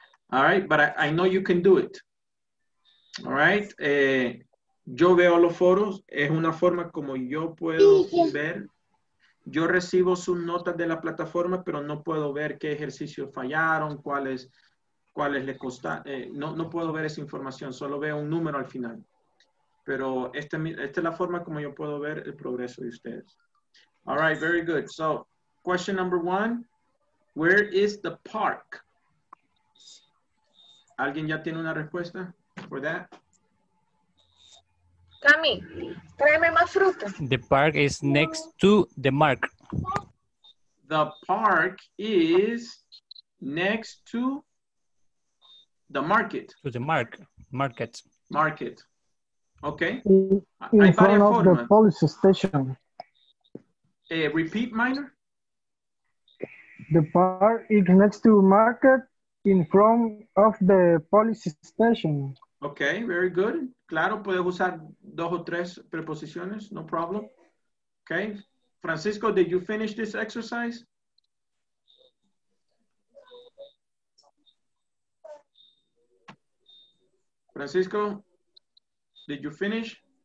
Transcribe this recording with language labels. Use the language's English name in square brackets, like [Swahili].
[English] All right, but I know you can do it. All right, [Spanish] yo veo los foros, es una forma como yo puedo ver. Yo recibo sus notas de la plataforma, pero no puedo ver qué ejercicios fallaron, cuáles les costan, no puedo ver esa información, solo veo un número al final. Pero esta es la forma como yo puedo ver el progreso de ustedes. [English] All right, very good. So, question number one, where is the park? [Spanish] ¿Alguien ya tiene una respuesta [English] for that? [Spanish] Cami, tráeme más fruta. [English] The park is next to the mark. The park is next to the market. To the market. Market. Okay. In front of the police station. Repeat, Minor. The park is next to market in front of the police station. Okay, very good. [Spanish] Claro, puedes usar dos o tres preposiciones, [English] no problem. Okay. Francisco, did you finish this exercise? Francisco, did you finish?